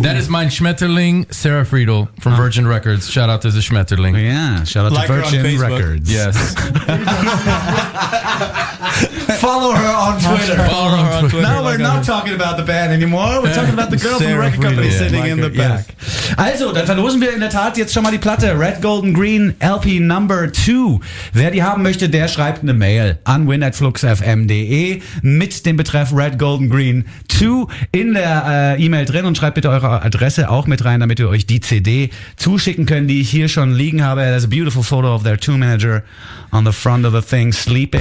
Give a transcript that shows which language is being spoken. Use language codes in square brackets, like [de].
[en] That is [de] mein Schmetterling, [en] Sarah Friedel from Virgin Records. Shout out to the Schmetterling. Yeah. Shout out like to Virgin Records. Yes. Follow her on Twitter. Follow her on Twitter. Now we're not talking about the band anymore. We're talking about the girl Sarah from the record Friedel. Company sitting like in the back. Yeah. [de] Also, dann verlosen wir in der Tat jetzt schon mal die Platte. Red, Golden, Green LP Number 2. Wer die haben möchte, der schreibt eine Mail an win@fluxfm.de mit dem Betreff Red, Golden, Green 2 in der E-Mail drin und schreibt bitte eure Adresse auch mit rein, damit wir euch die CD zuschicken können, die ich hier schon liegen habe. [en] There's a beautiful photo of their tour manager on the front of the thing sleeping.